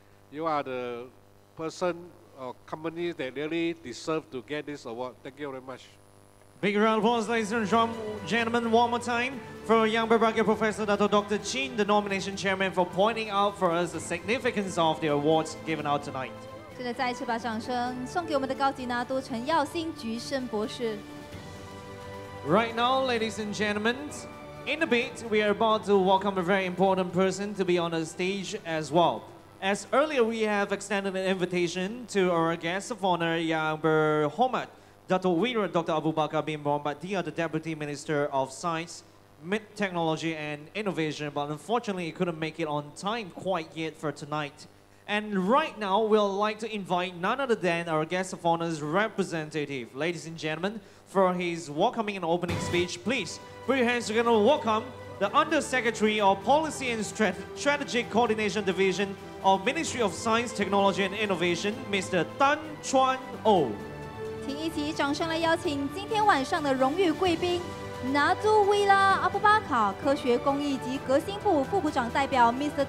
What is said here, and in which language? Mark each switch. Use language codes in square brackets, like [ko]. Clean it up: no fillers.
[en] You are the person or company that really deserve to get this award. Thank you very much. Big round of applause, ladies and gentlemen, one more time for Yang Berbagai Professor Dato' Dr. Chin, the nomination chairman, for pointing out for us the significance of the awards given out tonight. [zh] 现在再一次把掌声送给我们的高级拿督陈耀兴菊生博士。 [en] Right now, ladies and gentlemen, in a bit, we are about to welcome a very important person to be on the stage as well. As earlier, we have extended an invitation to our guest of honor, Yang Berhormat, Dato' Wira Dr. Abu Bakar bin Mohamad Dia, the Deputy Minister of Science, Technology and Innovation. But unfortunately, he couldn't make it on time quite yet for tonight. And right now, we'd like to invite none other than our guest of honor's representative, ladies and gentlemen, for his welcoming and opening speech. Please, put your hands together to welcome the Undersecretary of Policy and Strategic Coordination Division of Ministry of Science, Technology and Innovation, Mr. Tan Chuan Oh. [zh] 请一起掌声来邀请今天晚上的荣誉贵宾拿督威拉阿布巴卡科学工艺及革新部副部长代表 Mr.